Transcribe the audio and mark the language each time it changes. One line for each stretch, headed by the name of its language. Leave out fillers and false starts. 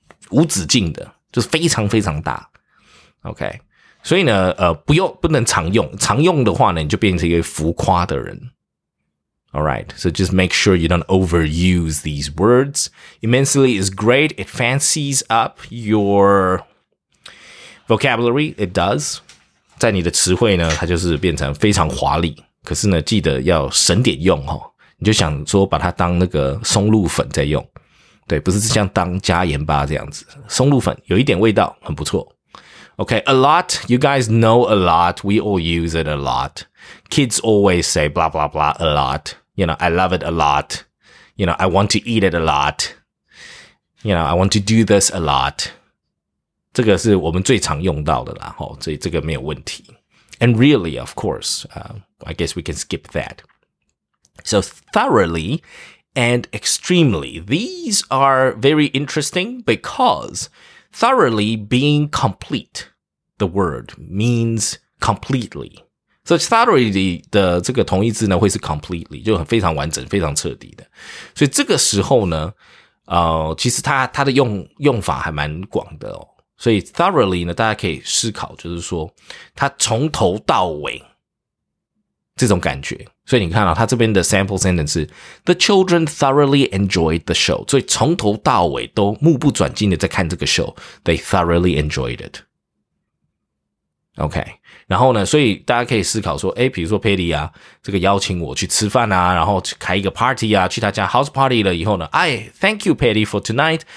Chinese: 无止境的就是非常非常大。 OK。 所以呢不能常用。常用的话呢你就变成一个浮夸的人。
English: Alright, so just make sure you don't overuse these words. Immensely is great. It fancies up your vocabulary. It does.
Chinese: 在你的词汇呢，它就是变成非常华丽。可是呢，记得要省点用哦。你就想说把它当那个松露粉在用，对，不是像当加盐巴这样子。松露粉有一点味道，很不错。
English: Okay, a lot. You guys know a lot. We all use it a lot. Kids always say blah, blah, blah, a lot. You know, I love it a lot. You know, I want to eat it a lot. You know, I want to do this a lot.
Chinese: 这个是我们最常用到的啦，齁，所以这个没有问题。
English: And really, of course, I guess we can skip that. So thoroughly and extremely. These are very interesting because... Thoroughly being complete, the word means completely.
Chinese: So thoroughly 的这个同义字呢，会是 completely， 就非常完整、非常彻底的。所以这个时候呢，其实它的用法还蛮广的哦。所以 thoroughly 呢，大家可以思考，就是说它从头到尾这种感觉。所以你看啊，它这边的 sample sentence 是
English: The children thoroughly enjoyed the show.
Chinese: 所以从头到尾都目不转睛的在看这个 show.
English: They thoroughly enjoyed it. OK.
Chinese: 然后呢，所以大家可以思考说，诶，比如说 Patty 啊，这个邀请我去吃饭啊，然后开一个 party 啊，去他家 house party 了以后呢，
English: I thank you Patty for tonight.